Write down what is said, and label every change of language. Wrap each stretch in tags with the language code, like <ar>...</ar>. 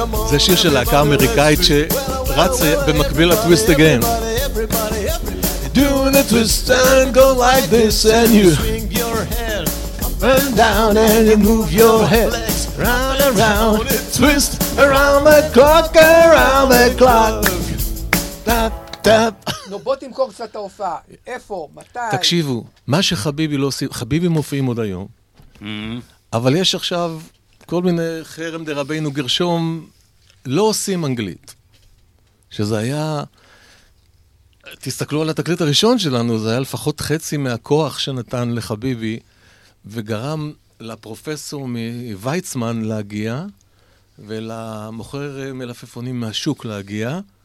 <he>זה שיר של להקה אמריקאית שרץ במקביל לטוויסט אגן.</he> <en>Doing a twist and go like this, and you swing your head up and down, and you move your head round and round, twist around the clock, around the clock.</en> <he>טאפ טאפ. נו, בוא תמכור קצת ההופעה. איפה? מתי? תקשיבו, מה שחביבי לא עושים, חביבי מופיעים עוד היום. אבל יש עכשיו כל מיני חרם דרבינו גרשום, לא עושים אנגלית. שזה היה, תסתכלו על התקליט הראשון שלנו, זה היה לפחות חצי מהכוח שנתן לחביבי, וגרם לפרופסור מויצמן להגיע, ולמוכר מלפפונים מהשוק להגיע.</he>